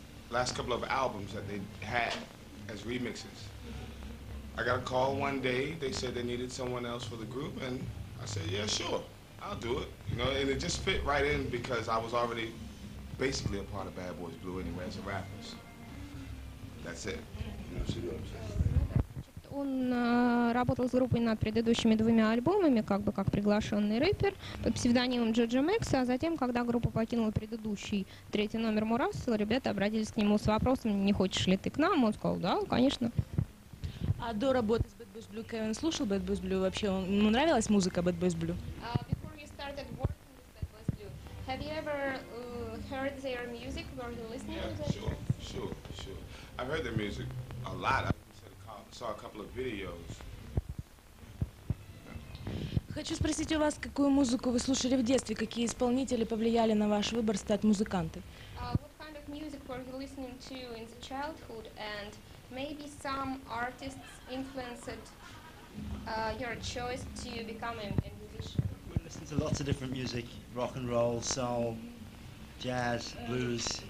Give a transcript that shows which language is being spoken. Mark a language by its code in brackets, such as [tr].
[en] Last couple of albums that they had as remixes. I got a call one day, they said they needed someone else for the group, and I said, yeah, sure, I'll do it. You know, and it just fit right in because I was already basically a part of Bad Boys Blue anyway as a rapper. That's it. You see what I'm saying? [ru] Он работал с группой над предыдущими двумя альбомами, как бы как приглашенный рэпер, под псевдонимом Джорджа Мэкса, а затем, когда группа покинула предыдущий, третий номер Мурасл, ребята обратились к нему с вопросом, не хочешь ли ты к нам? Он сказал, да, конечно. А до работы с Bad Boys Blue Кевин слушал Bad Boys Blue? Вообще, ему нравилась музыка Bad Boys Blue? [en] Before you started working with Bad Boys Blue, have you ever heard their music? Were you listening to their music? Sure. I've heard their music a lot. Saw a couple of videos. [ru] Хочу спросить у вас, какую музыку вы слушали в детстве, какие исполнители повлияли на ваш выбор стать музыкантом? [en] What kind of music were you listening to in the childhood, and maybe some artists influenced your choice to become a musician? We listen to lots of different music: rock and roll, soul, jazz, blues,